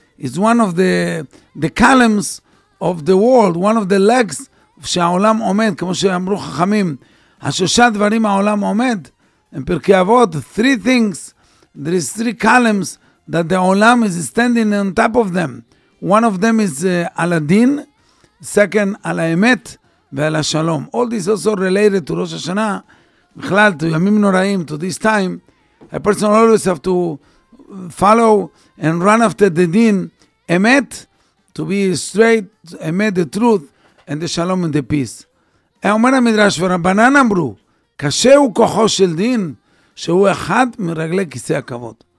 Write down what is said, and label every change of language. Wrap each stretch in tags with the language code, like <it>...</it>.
<en>It's one of the columns of the world, one of the legs</en> <he>שהעולם עומד, כמו שאמרו חכמים. השושה דברים העולם עומד, הם פרקי אבות,</he> <en>three things, there is three columns that the עולם is standing on top of them. One of them is</en> <he>על הדין, second על האמת ועל השלום.</he> <en>All this also related to Rosh Hashanah, בכלל, to ימים נוראים, to this time, a person always have to follow and run after the din, אמת, to be straight, אמת, the truth, and the shalom and the peace.</en> <he>אומר המדרש ורבנן אמרו, קשה הוא כוחו של דין, שהוא אחד מרגלי כיסא הכבוד.</he>